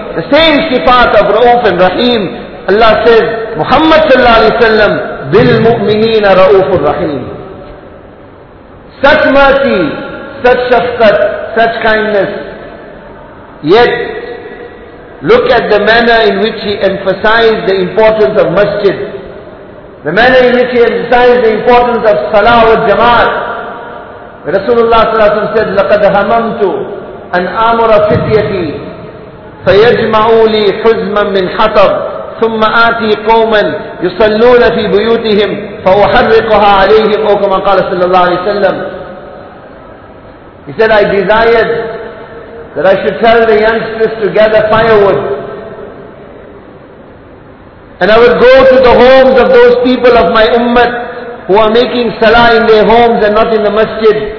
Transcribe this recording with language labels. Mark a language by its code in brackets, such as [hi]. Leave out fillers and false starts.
[en] The same sifat of Ra'uf and Rahim, Allah says, Muhammad sallallahu alayhi wa sallam, bil mu'minina Ra'ufur Rahim. Such mercy, such shafqat, such kindness. Yet, look at the manner in which he emphasized the importance of masjid. The manner in which he emphasized the importance of salah wa jamaat. [ar] Rasulullah sallallahu alaihi wasallam said, لَقَدْ هَمَمْتُ أَنْ أَمُرَ فِتْيَتِي فَيَجْمَعُوا لِي حُزْمًا مِّنْ حَطَرٍ ثُمَّ آتِي قَوْمًا يُصَلُّونَ فِي بُيُوتِهِمْ فَأُحَرِّقُهَا عَلَيْهِمْ أَوْ كَمَا قَالَ صَلَّى اللَّهُ عَلَيْهِ وَسَلَّمَ. [en] He said, I desired that I should tell the youngsters to gather firewood, and I would go to the homes of those people of my ummah who are making salah in their homes and not in the masjid.